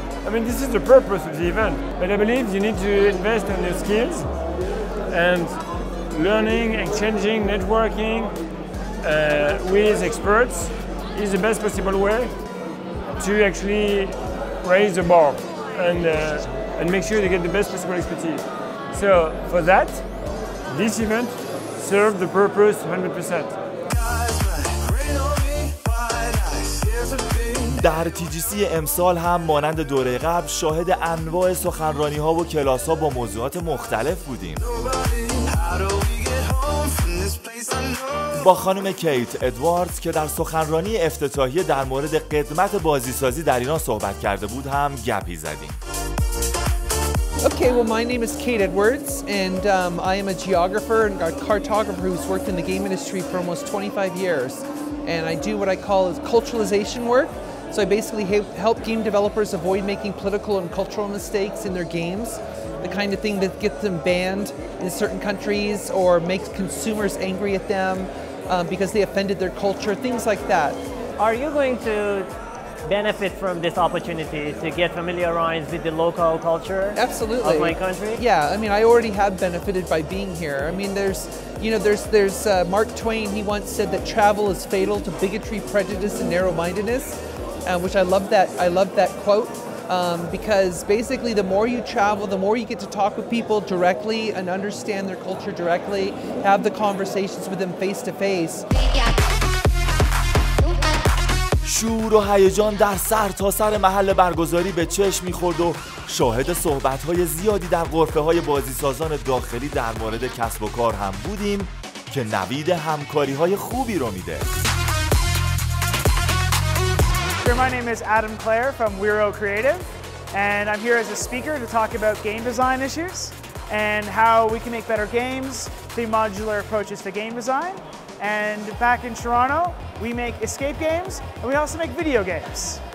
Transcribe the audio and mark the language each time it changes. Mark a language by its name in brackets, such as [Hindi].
[English] I mean, this is the purpose of the event. But I believe you need to invest in your skills and learning, exchanging, networking, with experts is the best possible way to actually raise the bar and make sure you get the best possible expertise. So for that, this event served the purpose 100%. [Persian] در تی جی سی امسال هم مانند دوره قبل شاهد انواع سخنرانی ها و کلاس ها با موضوعات مختلف بودیم. با خانم کیت ادواردز که در سخنرانی افتتاحیه در مورد قدمت بازیسازی در ایران صحبت کرده بود هم گپی زدیم. [English] Okay, well my name is Kate Edwards and I am a geographer and a cartographer who's worked in the game industry for almost 25 years and I do what I call is culturalization work. So I basically help game developers avoid making political and cultural mistakes in their games the kind of thing that gets them banned in certain countries or makes consumers angry at them because they offended their culture, things like that. Are you going to benefit from this opportunity to get familiarized with the local culture? Absolutely. Of my country? Yeah, I mean, I already have benefited by being here. I mean, there's Mark Twain, he once said that travel is fatal to bigotry, prejudice, and narrow-mindedness, which I love that quote, because basically the more you travel, the more you get to talk with people directly and understand their culture directly, have the conversations with them face-to-face. [Persian] شور و هیجان در سر تا سر محل برگزاری به چشم می‌خورد و شاهد صحبت‌های زیادی در غرفه‌های بازی‌سازان داخلی در مورد کسب و کار هم بودیم که نوید همکاری‌های خوبی رو میده. [English] My name is Adam Clare from Wero Creative and I'm here as a speaker to talk about game design issues and how we can make better games, the modular approaches to game design. And back in Toronto, we make escape games, and we also make video games.